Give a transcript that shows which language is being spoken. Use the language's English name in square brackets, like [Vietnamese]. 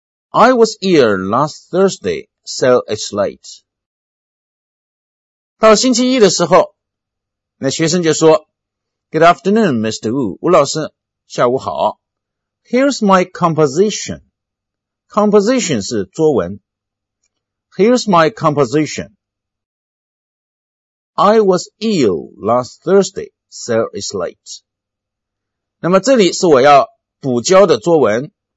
[English] I was here last Thursday, so it's late. [Chinese] 到星期一的时候，那学生就说， [English] Good afternoon, Mr. Wu. [Chinese] 吴老师，下午好。 [English] Here's my composition. [Chinese] Composition 是作文。 [English] Here's my composition. I was ill last Thursday, so it's late. [Chinese] 那么这里是我要补交的作文。